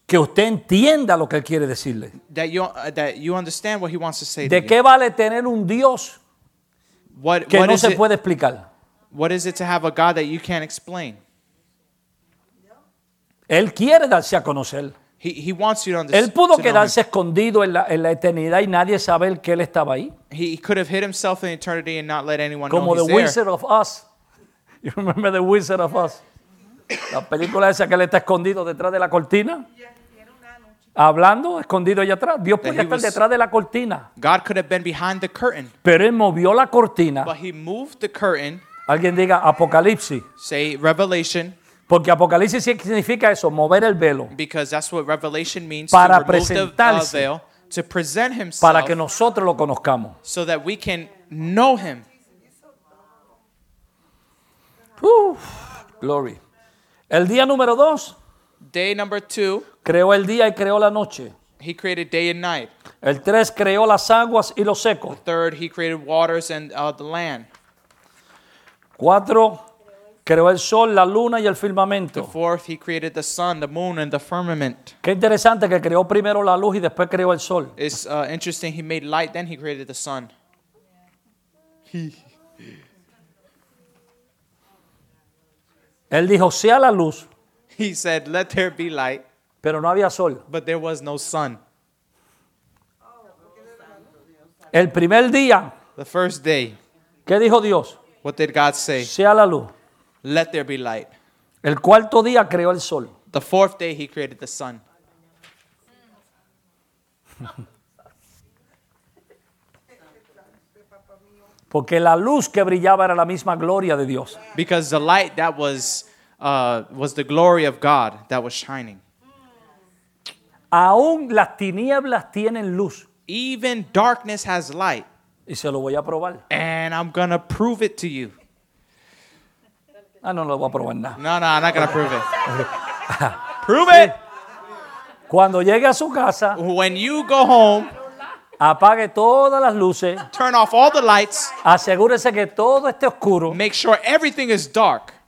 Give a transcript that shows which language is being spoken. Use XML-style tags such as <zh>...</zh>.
<es>Que usted entienda lo que Él quiere decirle.</es> <en>That you understand what He wants to say.</en> <es>¿De qué vale tener un Dios que no se puede explicar?</es> <en>What is it to have a God that you can't explain?</en> <es>Él quiere darse a conocer.</es> <en>He wants you to understand.</en> <es>Él pudo quedarse escondido en la eternidad y nadie sabe que Él estaba ahí.</es> <en>He could have hid himself in eternity and not let anyone know he's there. Como the Wizard of Oz. You remember the Wizard of Oz?</en> <es>La película esa que él está escondido detrás de la cortina. Hablando, escondido allá atrás. Dios podía estar detrás de la cortina.</es> <en>God could have been behind the curtain.</en> <es>Pero él movió la cortina.</es> <en>But he moved the curtain.</en> <es>Alguien diga Apocalipsis.</es> <en>Say Revelation.</en> <es>Porque Apocalipsis significa eso, mover el velo.</es> <en>Because that's what Revelation means.</en> <es>Para presentarse.</es> <en>The veil, to present himself.</en> <es>Para que nosotros lo conozcamos.</es> <en>So that we can know him.</en> <es>Glory. El día número dos.</es> <en>Day number two.</en> <es>Creó el día y creó la noche.</es> <en>He created day and night.</en> <es>El tres creó las aguas y lo seco.</es> <en>The third, he created waters and the land.</en> <es>Cuatro, Creó el sol, la luna y el firmamento.</es> <en>The fourth, he created the sun, the moon, and the firmament.</en> <es>Qué interesante que creó primero la luz y después creó el sol.</es> <en>It's interesting, he made light, then he created the sun.</en> <es>Él dijo, sea la luz.</es> <en>He said, let there be light.</en> <es>Pero no había sol.</es> <en>But there was no sun.</en> <es>El primer día.</es> <en>The first day.</en> <es>¿Qué dijo Dios?</es> <en>What did God say?</en> <es>Sea la luz.</es> <en>Let there be light.</en> <es>El cuarto día creó el sol.</es> <en>The fourth day he created the sun.</en> <es>Porque la luz que brillaba era la misma gloria de Dios.</es> <en>Because the light that was the glory of God that was shining.</en> <es>Aún las tinieblas tienen luz.</es> <en>Even darkness has light.</en> <es>Y se lo voy a probar.</es> <en>And I'm going to prove it to you.</en> <es>Ah, no, no lo voy a probar nada.</es> <en>No, no, I'm not gonna prove it. Prove it.</en> <es>Cuando llegue a su casa,</es> <en>when you go home,</en> <es>apague todas las luces.</es> <en>Turn off all the lights.</en> <es>Asegúrese que todo esté oscuro.</es> <en>Make sure everything is dark.</en>